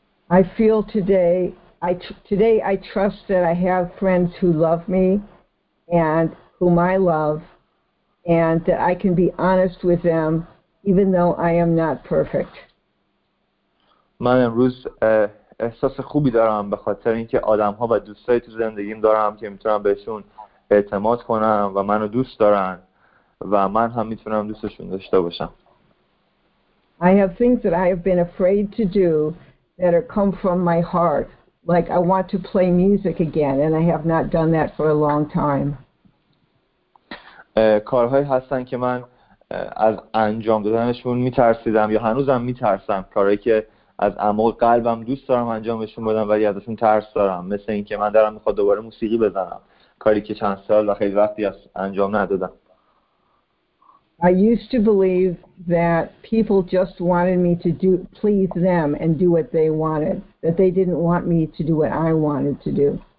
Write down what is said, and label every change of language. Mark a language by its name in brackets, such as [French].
[English] I feel today I trust that I have friends who love me and whom I love and that I can be honest with them even though I am not perfect. [Persian] من امروز احساس خوبی دارم به خاطر اینکه آدم‌ها و دوستای تو زندگیم دارم که میتونم بهشون اعتماد کنم و منو دوست دارن و من هم میتونم دوستشون داشته باشم. [English] I have things that I have been afraid to do that are come from my heart, like I want to play music again and I have not done that for a long time. [Persian] کارهایی هستن که من از انجام دادنشون میترسیدم یا هنوزم میترسم، کاری که از اعماق قلبم دوست دارم انجامشون بدم ولی ازشون ترس دارم، مثل اینکه من دارم میخواد دوباره موسیقی بزنم، کاری که چند سال و خیلی وقتی از انجام ندادم. [English] I used to believe that people just wanted me to do please them and do what they wanted, that they didn't want me to do what I wanted to do.